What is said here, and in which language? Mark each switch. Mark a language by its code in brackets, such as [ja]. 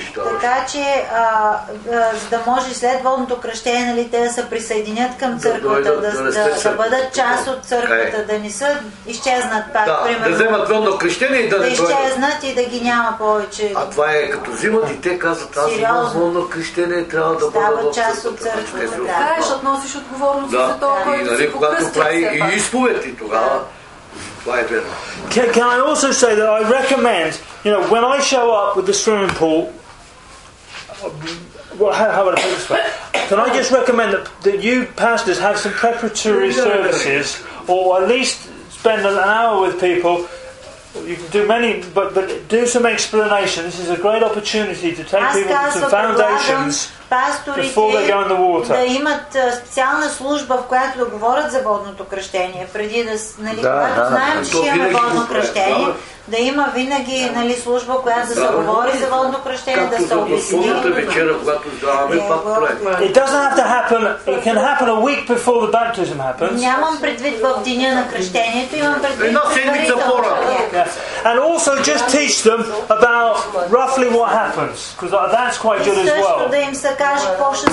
[bg] Така че, за да може след водното кръщение, нали, те да се присъединят към църквата, да бъдат част от църквата, да не са изчезнат пак. Да, примерно, да вземат водно кръщение и да изчезнат и да ги няма повече. А това е като взимат и те казват, аз имам водно кръщение, трябва да бъда в част от църквата. Да, защото носиш отговорност за това, който си покръстил. Когато прави и изповед и тогава, [en] Can I also say that I recommend, you know, when I show up with the swimming pool, how would I put this way? Can I just recommend that you pastors have some preparatory services, or at least spend an hour with people? You can do many, but do some explanation. This is a great opportunity to take people to some foundations. [bg] Да имат специална служба, в която да говорят за водното кръщение, преди да, нали, когато знаем, че имаме водно кръщение, да има винаги, нали, служба, която да се говори за водно кръщение, да се обясни. [en] It doesn't have to happen. It can happen a week before the baptism happens. [bg] Нямам предвид в деня на кръщението, имам предвид в седмица пора. [en] And also just teach them about roughly what happens, because that's quite good as well.